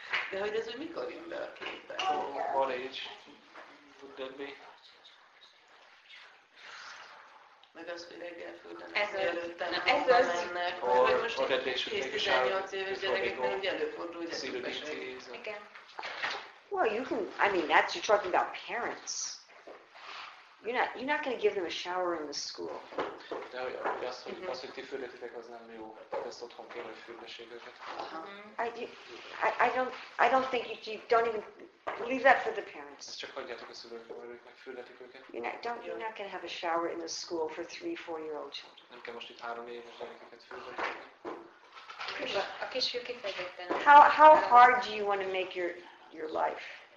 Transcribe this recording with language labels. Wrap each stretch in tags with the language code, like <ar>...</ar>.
<hu>De hogy ez, hogy mikor jön be a képbe?</hu> <en>What age would that be?</en> <hu>Meg az, hogy reggel fürdenek, mielőtt hova mennek, vagy most 10-18 éves gyerekeknek úgy előfordul, hogy ezt beszélik. Igen.</hu> <en>Well, you can, I mean, that's, you're talking about parents. You're not going to give them a shower in the school.</en> <hu>De hogy azt, hogy ti fürdetitek, az nem jó. Ezt otthon kéne, hogy fürdessék őket.</hu> <en>I don't think you don't even leave that for the parents.</en> <hu>Csak hagyjátok a szülőkre, hogy ők megfürdetik őket.</hu> <en>You're not going to have a shower in the school for 3-4-year-old children.</en> <hu>Nem kell most itt 3 éves gyerekeket fürdetni. A kisfiú kifejezetten.</hu> <en>How hard do you want to make your life?</en>